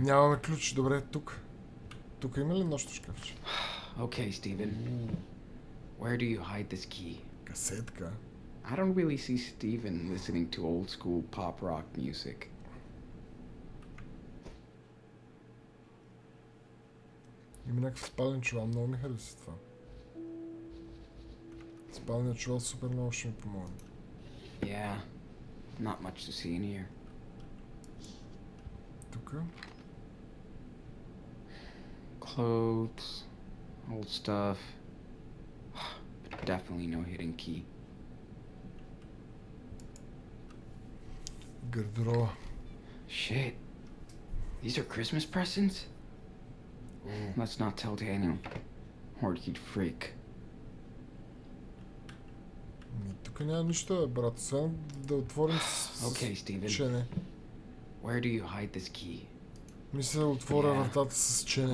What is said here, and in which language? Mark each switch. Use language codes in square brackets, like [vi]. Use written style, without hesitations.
[bg] Нямаме ключ. Добре, тук. Тук има ли нощно шкафче? [en] Okay, Steven. Where do you hide this key? [bg] Касетка. [en] I don't really see Steven listening to old school pop rock music. [bg] Има някакъв спален чувал. Много ми харесва това. Спалният чувал супер много ще ми помогне. [en] Yeah, not much to see in here. [bg] Тука? [en] Clothes, old stuff, but definitely no hidden key. [bg] Гардероба. [en] Shit, these are Christmas presents? Let's not tell Daniel, or he'd freak. [bg] Тука няма нищо, брат. Освен да отворим с... [en] Okay, Steven. [bg] Чене. [en] Where do you hide this key? [bg] Мисля да отворя вратата с чене.